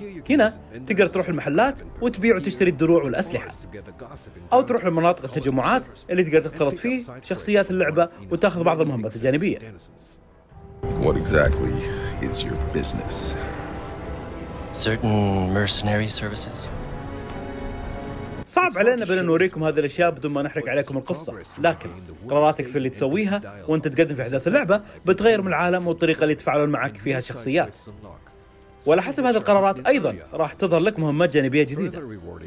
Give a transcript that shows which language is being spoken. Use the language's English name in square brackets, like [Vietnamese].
[Arabic] هنا تقدر تروح المحلات وتبيع وتشتري الدروع والأسلحة، أو تروح لمناطق التجمعات اللي تقدر تختلط فيه شخصيات اللعبة وتأخذ بعض المهمات الجانبية. [English] What exactly is your business? Certain mercenary services. [Arabic] صعب علينا بأن نوريكم هذه الأشياء بدون ما نحرق عليكم القصة، لكن قراراتك في اللي تسويها وأنت تقدم في أحداث اللعبة بتغير من العالم والطريقة اللي يتفاعلون معك فيها الشخصيات. وعلى حسب هذه القرارات أيضاً راح تظهر لك مهمات جانبية جديدة.